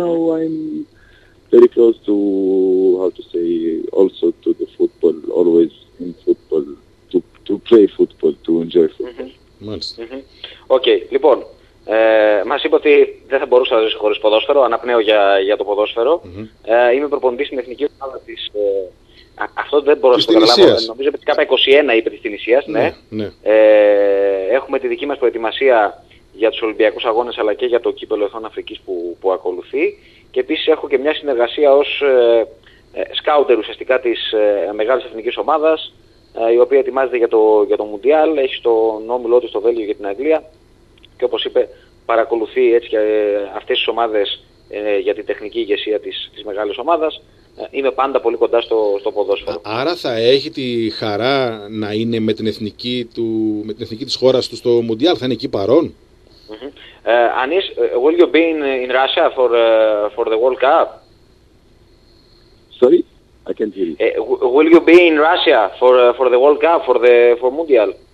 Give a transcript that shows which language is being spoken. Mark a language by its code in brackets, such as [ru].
[en] now I'm very close to, how to say, also to the football, always in football. To play football, to enjoy football. [el] Μάλιστα. Οκ, λοιπόν, μας είπε ότι δεν θα μπορούσα να ζήσω χωρίς ποδόσφαιρο, αναπνέω για το ποδόσφαιρο. Mm-hmm. Είμαι προπονητής στην εθνική ομάδα της... αυτό δεν μπορώ να το καταλάβω. Νομίζω ότι κάπου 21 είπε της Τινησίας, ναι. Ναι. Έχουμε τη δική μας προετοιμασία για τους Ολυμπιακούς Αγώνες, αλλά και για το κύπελο Εθνών Αφρικής που ακολουθεί. Και επίσης έχω και μια συνεργασία ως σκάουτερ ουσιαστικά της μεγάλης εθνικής ομάδας, η οποία ετοιμάζεται για το Μουντιάλ, έχει τον όμιλό του στο Βέλγιο για την Αγγλία και όπως είπε παρακολουθεί έτσι και αυτές τις ομάδες για την τεχνική ηγεσία της μεγάλης ομάδας. Είμαι πάντα πολύ κοντά στο ποδόσφαιρο. Άρα θα έχει τη χαρά να είναι με την εθνική, με την εθνική της χώρας του στο Μουντιάλ, θα είναι εκεί παρόν. [en] Anis, will you be in Russia for the World Cup? Sorry? I can't hear you. Will you be in Russia for the World Cup, for Mundial?